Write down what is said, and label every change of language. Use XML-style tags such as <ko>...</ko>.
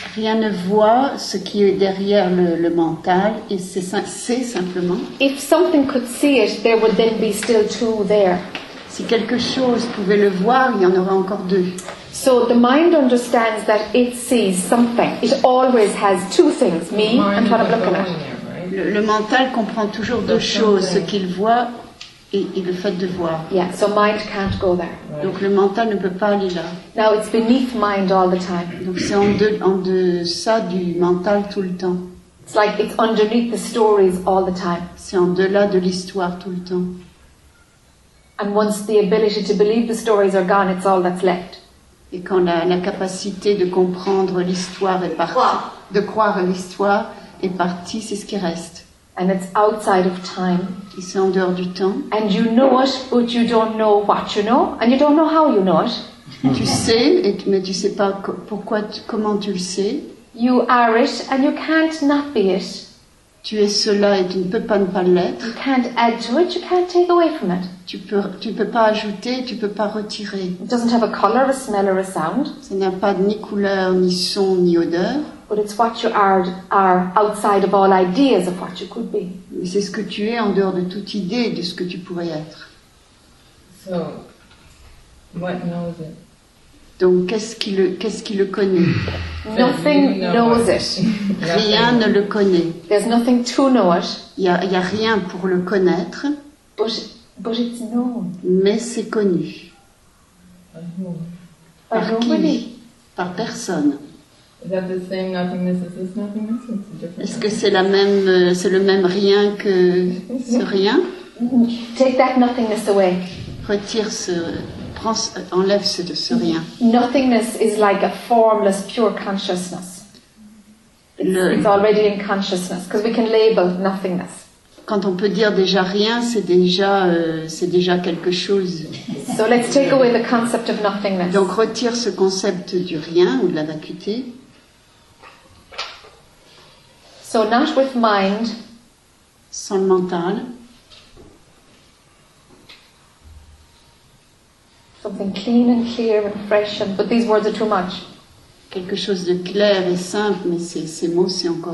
<fr>Rien ne voit ce qui est derrière le mental, et c'est simplement.</fr> <en>If something could see it, there would then be still two there.</en> <fr>Si quelque chose pouvait le voir, il y en aurait encore deux.</fr> <en>So the mind understands that it sees something. It always has two things, me and what I'm looking at.</en> <fr>Le mental comprend toujours deux choses, ce qu'il voit et le fait de voir.</fr> <en>Yeah, so mind can't go there.</en> <fr>Donc le mental ne peut pas aller là.</fr> <en>Now it's beneath mind all the time.</en> <fr>Donc c'est en deçà du mental tout le temps.</fr> <en>It's like it's underneath the stories all the time.</en> <fr>C'est en delà de l'histoire tout le temps.</fr> <en>And once the ability to believe the stories are gone, it's all that's left.</en> <fr>Et quand la capacité de comprendre l'histoire est partie, de croire l'histoire est partie, c'est ce qui reste.</fr> <en>And it's outside of time.</en> <fr>Et c'est en dehors du temps.</fr> <en>And you know it, but you don't know what you know, and you don't know how you know it.</en> <fr>Tu sais, mais tu sais pas pourquoi, comment tu le sais.</fr> <en>You are it, and you can't not be it.</en> <fr>Tu es cela, et tu ne peux pas ne pas l'être.</fr> <en>You can't add to it, you can't take away from it.</en> <fr>Tu peux pas ajouter, tu peux pas retirer.</fr> <en>It doesn't have a color, a smell, or a sound.</en> <fr>Ça n'a pas ni couleur, ni son, ni odeur.</fr> <en>But it's what you are outside of all ideas of what you could be.</en> <fr>Mais c'est ce que tu es en dehors de toute idée de ce que tu pourrais être.</fr> <en>So, what knows it?</en> <fr>Donc, qu'est-ce qui le connaît?</fr> <en>Nothing knows it.</en> <fr>Rien ne le connaît.</fr> <en>There's nothing to know it.</en> <fr>Il y a rien pour le connaître.</fr> <en>But it's known.</en> <fr>Mais c'est connu.</fr> <en>By</en> <fr>Par</fr> <en>nobody.</en> <fr>Qui? Par personne.</fr> <en>Is that the same nothingness as this nothingness? It's a different.</en> <fr>Est-ce que c'est la même, c'est le même rien que ce rien?</fr> <en>Take that nothingness away.</en> <fr>Retire ce, prends, enlève ce rien.</fr> <en>Nothingness is like a formless, pure consciousness. It's already in consciousness because we can label nothingness.</en> <fr>Quand on peut dire déjà rien, c'est déjà quelque chose.</fr> <en>So let's take away the concept of nothingness.</en> <fr>Donc retire ce concept du rien ou de la vacuité.</fr> <en>So not with mind,</en> <fr>sans le mental,</fr> <en>something clean and clear and fresh, but these words are too much.</en> <fr>Quelque chose de clair et simple, mais ces mots, c'est encore</fr>